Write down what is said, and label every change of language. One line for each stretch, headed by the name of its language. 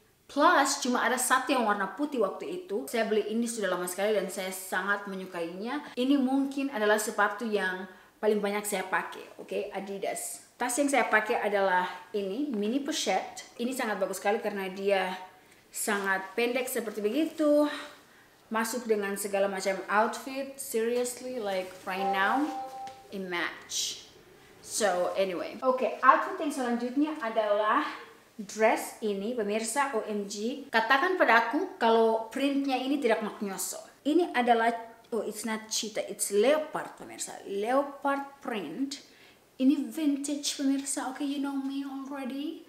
Indonesian: Plus, cuma ada satu yang warna putih waktu itu. Saya beli ini sudah lama sekali dan saya sangat menyukainya. Ini mungkin adalah sepatu yang paling banyak saya pakai, oke? Adidas. Tas yang saya pakai adalah ini, mini pochette. Ini sangat bagus sekali karena dia sangat pendek seperti begitu. Masuk dengan segala macam outfit.
English: Seriously, like right now, it match. So, anyway.
Indonesian: Oke, outfit yang selanjutnya adalah dress ini, pemirsa, OMG. Katakan pada aku kalau printnya ini tidak maknyoso. Ini adalah,
English: it's not cheetah, it's leopard,
Indonesian: pemirsa. Leopard print. Ini vintage, pemirsa,
English: okay, you know me already.